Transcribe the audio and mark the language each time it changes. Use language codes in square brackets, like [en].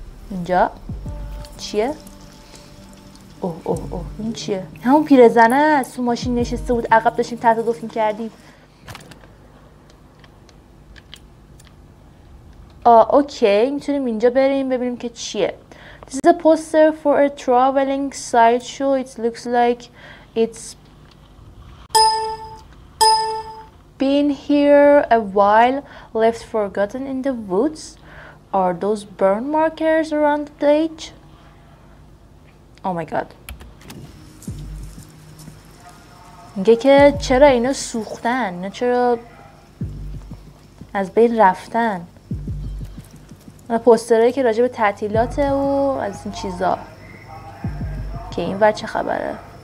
[fa] اینجا چیه؟ اوه این چیه؟ همون پیرزنه است. تو ماشین نشسته بود عقب داشتیم تصادف می‌کردیم. اوکی میتونیم اینجا بریم ببینیم که چیه. [en] This is a poster for a traveling sideshow. It looks like it's been here a while, left forgotten in the woods. Are those burn markers around the edge? Oh my god. [fa] میگه که چرا اینا سوختن؟ نه چرا از بین رفتن؟ پوسترهایی که راجع به تعطیلاته و از این چیزا که این بچه خبره.